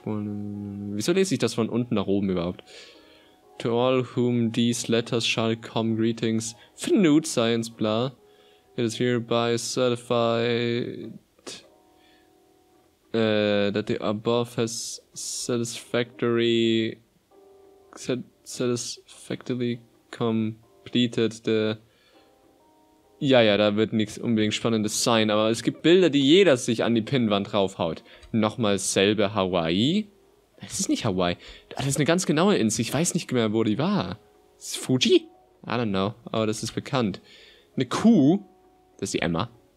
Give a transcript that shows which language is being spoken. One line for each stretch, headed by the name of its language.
German: Wieso lese ich das von unten nach oben überhaupt?
English: To all whom these letters shall come greetings. Fnude Science, bla. It is hereby certified... that the above has satisfactorily completed the...
German: Ja, ja, da wird nichts unbedingt Spannendes sein, aber es gibt Bilder, die jeder sich an die Pinnwand raufhaut. Nochmal selbe Hawaii? Das ist nicht Hawaii. Das ist eine ganz genaue Insel. Ich weiß nicht mehr, wo die war. Ist Fuji?
English: I don't know,
German: aber das ist bekannt. Eine Kuh, das ist die Emma.